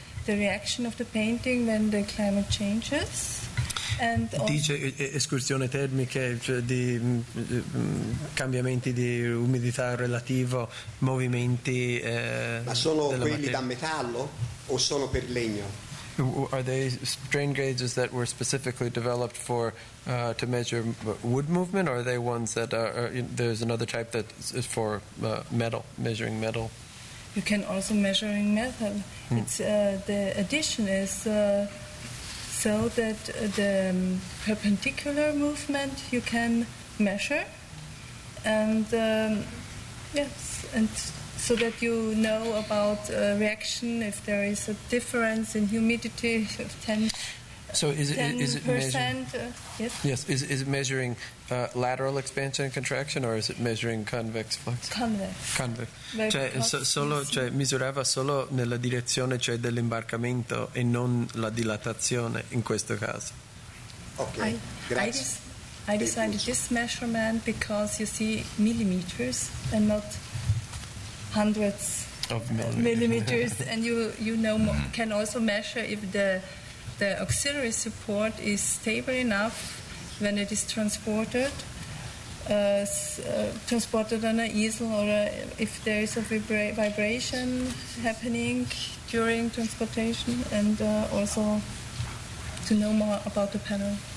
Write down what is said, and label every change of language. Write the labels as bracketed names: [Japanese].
[English] The reaction of the painting when the climate changes. And [Italian] dice escursione termica, cioè di cambiamenti di umidità relativo, movimenti. Ma sono quelli da metallo o sono per legno? [English] Are they strain gauges that were specifically developed for to measure wood movement, or are they ones that there's another type that is for metal, measuring metal? You can also measure metal. Mm. It's the addition is so that the perpendicular movement you can measure, and so that you know about reaction, if there is a difference in humidity of 10%. Is it measuring lateral expansion and contraction, or is it measuring convex flux? Convex. [Italian] Cioè misurava solo nella direzione, cioè dell'imbarcamento, e non la dilatazione in questo caso. [English] Okay. I designed this measurement because you see millimeters and not hundreds of millimeters. And you know, can also measure if the auxiliary support is stable enough when it is transported on an easel, or if there is a vibration happening during transportation, and also to know more about the panel.